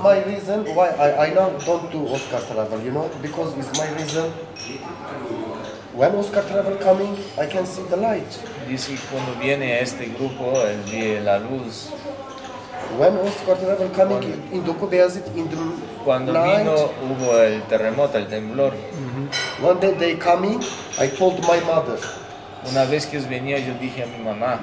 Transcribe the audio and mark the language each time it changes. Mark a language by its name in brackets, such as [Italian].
[English] My reason why I now don't do Oscar Travel, you know, because it's my reason. When Oscar Travel coming, I can see the light. [Spanish] Dice que cuando viene este grupo, él ve la luz. [English] When Oscar Travel coming, in Doku Beyazit, in the [Spanish] cuando [English] light. [Spanish] Vino, hubo el terremoto, el temblor. Mm-hmm. [English] One day they coming, I told my mother. [Spanish] Una vez que venía, yo dije a mi mamá.